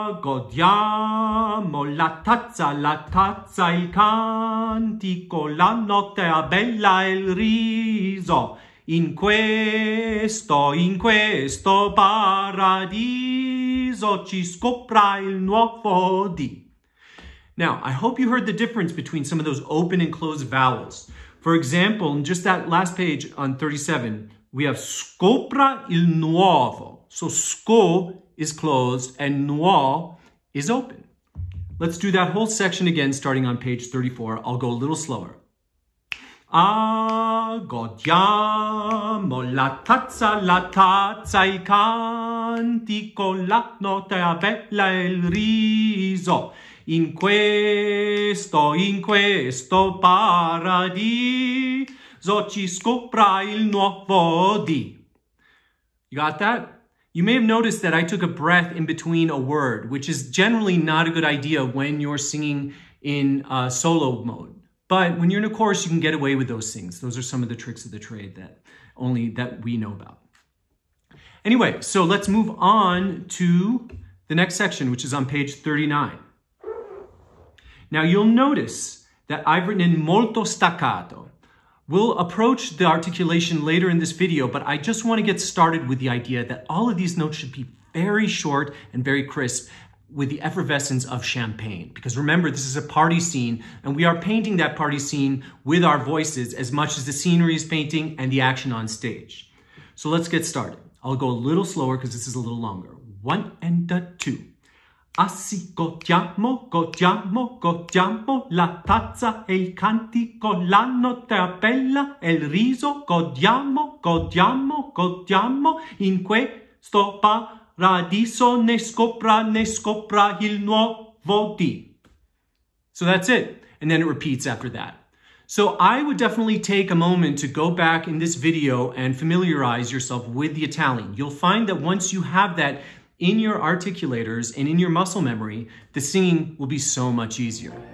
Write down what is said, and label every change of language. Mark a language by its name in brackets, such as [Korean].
[Italian] Godiamo la tazza, il cantico, la notte a bella il riso, in questo paradiso ci scopra il nuovo dì. [English] Now, I hope you heard the difference between some of those open and closed vowels. For example, in just that last page on 37, we have [Italian] scopra il nuovo. [English] So sco is closed and nuo is open. Let's do that whole section again, starting on page 34. I'll go a little slower. [Italian] Godiamo la tazza il cantico, la notte a bella il riso. In questo paradiso ci scopra il nuovo dì. [English] You got that? You may have noticed that I took a breath in between a word, which is generally not a good idea when you're singing in solo mode. But when you're in a chorus, you can get away with those things. Those are some of the tricks of the trade that only that we know about. Anyway, so let's move on to the next section, which is on page 39. Now you'll notice that I've written in molto staccato. We'll approach the articulation later in this video, but I just want to get started with the idea that all of these notes should be very short and very crisp with the effervescence of champagne. Because remember, this is a party scene and we are painting that party scene with our voices as much as the scenery is painting and the action on stage. So let's get started. I'll go a little slower because this is a little longer. One and a two. [Italian] Assi godiamo, godiamo, godiamo la tazza e il cantico, la notte bella e il riso, godiamo, godiamo, godiamo in questo paradiso, ne scopra il nuovo dì. [English] So that's it. And then it repeats after that. So I would definitely take a moment to go back in this video and familiarize yourself with the Italian. You'll find that once you have that in your articulators and in your muscle memory, the singing will be so much easier.